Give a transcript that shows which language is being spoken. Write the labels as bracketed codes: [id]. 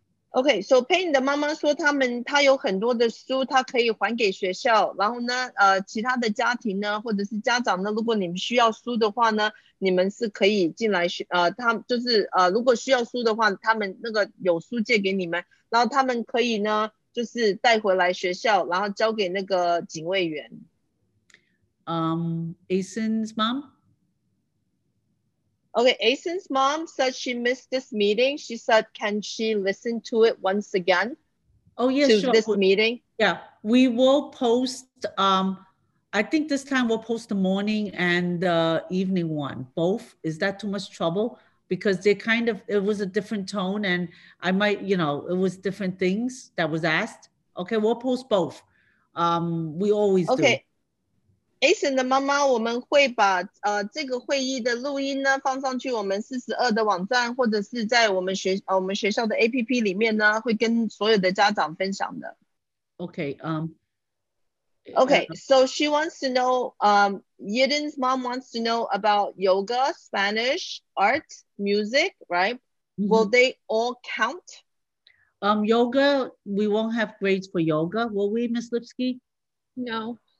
[en] Okay, so [zh] Peyton 的妈妈说她有很多的书她可以还给学校，然后呢其他的家庭呢或者是家长呢，如果你们需要书的话呢，你们是可以进来他就是如果需要书的话，他们那个有书借给你们，然后他们可以呢就是带回来学校，然后交给那个警卫员。 [en] Aisin's mom? Okay, Aisin's mom said she missed this meeting. She said, can she listen to it once again? Oh, yes, sure. To this meeting? Yeah, we will post, I think this time we'll post the morning and the evening one, both. Is that too much trouble? Because they kind of, it was a different tone and I might, you know, it was different things that was asked. Okay, we'll post both. We always okay. do. Okay. [zh] Aisin 的妈妈，我们会把这个会议的录音呢放上去我们42的网站，或者是在我们学校的 APP 里面呢，会跟所有的家长分享的。 [en] Okay. Okay. So she wants to know. Yidin's mom wants to know about yoga, Spanish, art, music, right? Will they all count? Yoga. We won't have grades for yoga, will we, Miss Lipsky? No.